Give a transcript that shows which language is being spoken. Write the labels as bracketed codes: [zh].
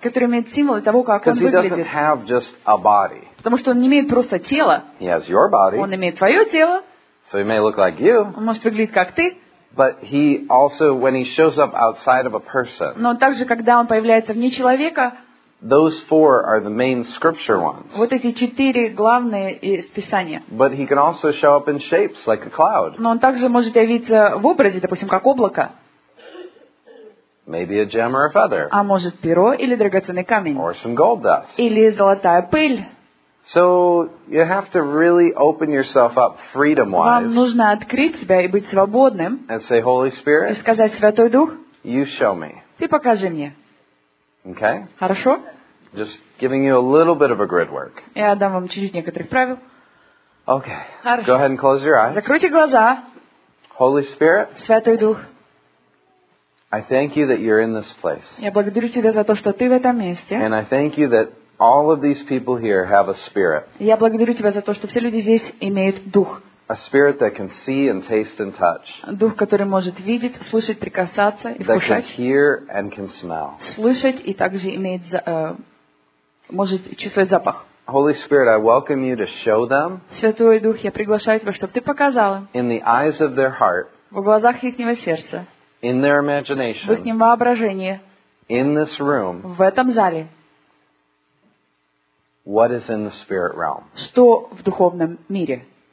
[ru] Которые имеют символы того, как он выглядит. [en] Because he doesn't have just a body. [ru] Потому что он не имеет просто тело. [en] He has your body. [ru] Он имеет твое тело. [en] So he may look like you. [ru] Он может выглядеть как ты. [en] But he also, when he shows up outside of a person. [ru] Но также когда он появляется вне человека. [en] Those four are the main scripture ones. [ru] Вот эти четыре главные из Писания. [en] But he can also show up in shapes like a cloud. [ru] Но он также может явиться в образе, допустим, как облако. [en] Maybe a gem or a feather. [ru] А может перо или драгоценный камень. [en] Or some gold dust. [ru] Или золотая пыль. [en] So you have to really open yourself up freedom-wise. [ru] Вам нужно открыть себя и быть свободным. [en] And say, Holy Spirit. [ru] И сказать, Святой Дух. [en] You show me. [ru] Ты покажи мне. [en] Okay. [ru] Хорошо. [en] Just giving you a little bit of a grid work. [ru] Я дам вам чуть-чуть некоторых правил. [en] Okay. [ru] Хорошо. [en] Go ahead and close your eyes. [ru] Закройте глаза. [en] Holy Spirit. [ru] Святой Дух. [en] I thank you that you're in this place. [ru] Я благодарю тебя за то, что ты в этом месте. [en] And I thank you that all of these people here have a spirit. [ru] Я благодарю тебя за то, что все люди здесь имеют дух. [en] A spirit that can see and taste and touch. [ru] Дух, который может видеть, слышать, прикасаться и [en] that [ru] вкушать. [en] That can hear and can smell. [ru] Слышать и также имеет, может чувствовать запах. [en] Holy Spirit, I welcome you to show them. [ru] Святой Дух, я приглашаю тебя, чтобы ты показал им. [en] In the eyes of their heart. [ru] В глазах ихнего сердца. [en] In their imagination. [ru] В ихнем воображении. [en] In this room. [ru] В этом зале. [en] What is in the spirit realm? [ru] Что в духовном мире?